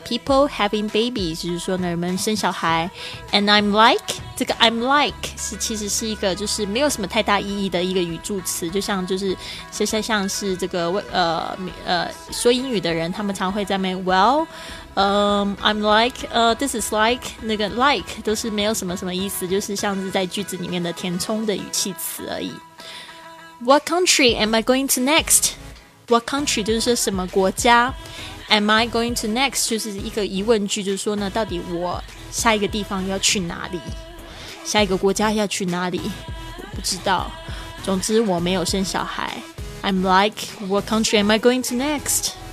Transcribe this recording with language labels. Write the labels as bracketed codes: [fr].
[en] People having babies [zh] 就是说呢，人们生小孩。 [en] And I'm like， [zh] 这个 [en] I'm like [zh] 是其实是一个就是没有什么太大意义的一个语助词，就像就是像是这个说英语的人，他们常会在那边 [en] well I'm like this is like， [zh] 那个 like 都是没有什么什么意思，就是像是在句子里面的填充的语气词而已。 [en] What country am I going to next？ What country [zh] 就是什么国家， [en] Am I going to next [zh] 就是一个疑问句，就是说呢，到底我下一个地方要去哪里，下一个国家要去哪里，我不知道，总之我没有生小孩。 [en] I'm like, what country am I going to next？